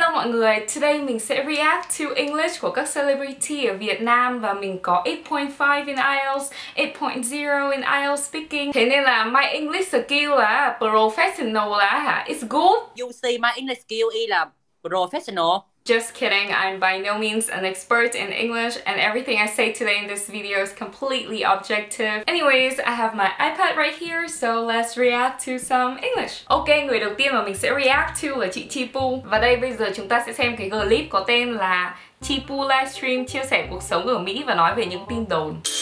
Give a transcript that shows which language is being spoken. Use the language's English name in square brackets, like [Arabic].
[Vietnamese] Người, [English] today [Vietnamese] mình sẽ [English] react to English [Vietnamese] của các celebrity ở Việt Nam và mình có [English] 8.5 in IELTS, 8.0 in IELTS speaking. [Vietnamese] Thế nên là [English] my English skill [Vietnamese] là [English] professional [Vietnamese] là hả? [English] It's good. You see my English skill is [Vietnamese] là [English] professional. Just kidding, I'm by no means an expert in English and everything I say today in this video is completely objective. Anyways, I have my iPad right here, so let's react to some English. [Vietnamese] Ok, người đầu tiên mà mình sẽ [English] react to [Vietnamese] là chị Chipu. Và đây bây giờ chúng ta sẽ xem cái clip có tên là Chipu Livestream chia sẻ cuộc sống ở Mỹ và nói về những tin đồn.